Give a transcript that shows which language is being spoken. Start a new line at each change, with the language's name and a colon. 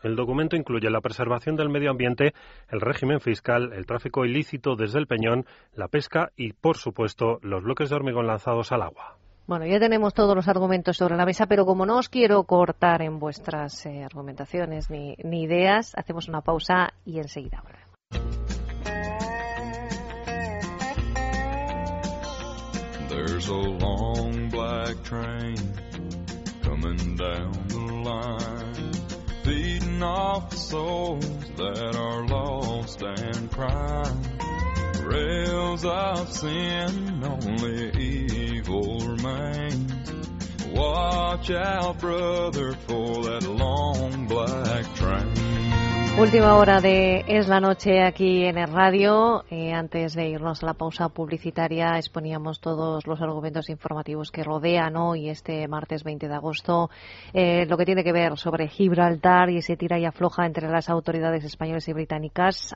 Spanish: El documento incluye la preservación del medio ambiente, el régimen fiscal, el tráfico ilícito desde el Peñón, la pesca y, por supuesto, los bloques de hormigón lanzados al agua. Bueno, ya tenemos todos los argumentos sobre la mesa, pero como no os quiero cortar en vuestras argumentaciones ni ideas, hacemos una pausa y enseguida volvemos.
English: There's a long black train coming down the line, feeding off the souls that are lost and crying. Rails of sin, only evil remains. Watch out, brother, for that long black train.
Spanish: Última hora de Es la Noche aquí en el radio. Antes de irnos a la pausa publicitaria, exponíamos todos los argumentos informativos que rodean hoy, este martes 20 de agosto, lo que tiene que ver sobre Gibraltar y ese tira y afloja entre las autoridades españolas y británicas.